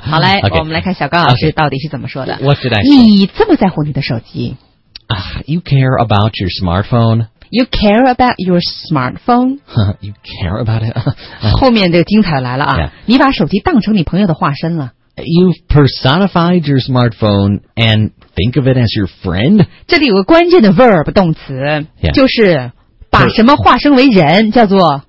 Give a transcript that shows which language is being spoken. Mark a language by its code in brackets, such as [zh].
[zh] 好嘞 [en] okay, [zh] 我们来看小刚老师到底是怎么说的。 [en] Okay, what did I say? [zh] 你这么在乎你的手机。 [en] You care about your smartphone? You care about your smartphone? You care about it? [zh] 后面就精彩来了啊、 [en] yeah. [zh] 你把手机当成你朋友的化身了 [en] You've personified your smartphone and think of it as your friend? [zh] 这里有个关键的 verb 动词、 [en] yeah. [zh] 就是把什么化身为人叫做